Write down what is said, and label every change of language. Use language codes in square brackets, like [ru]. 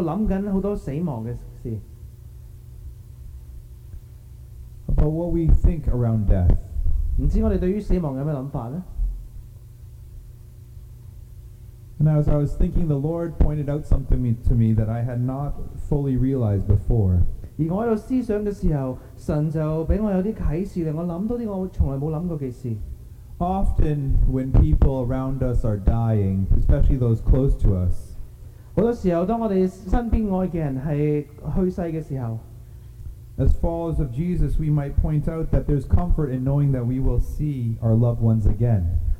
[zh] 所以在這個季節，我們一直在慶祝耶穌的降生，我亦都在想很多死亡的事。 [en] About what we think around death. [zh] 不知道我們對於死亡有什麼想法呢? [en] And as I was thinking, the Lord pointed out something to me that I had not fully realized before. [zh] 而我在思想的時候，神就讓我有些啟示，令我想到一些我從來沒有想過的事。 [en] Often when people around us are dying, especially those close to us, [zh] 很多時候當我們身邊愛的人是去世的時候, [en] as followers of Jesus, we might point out that there's comfort in knowing that we will see our loved ones again.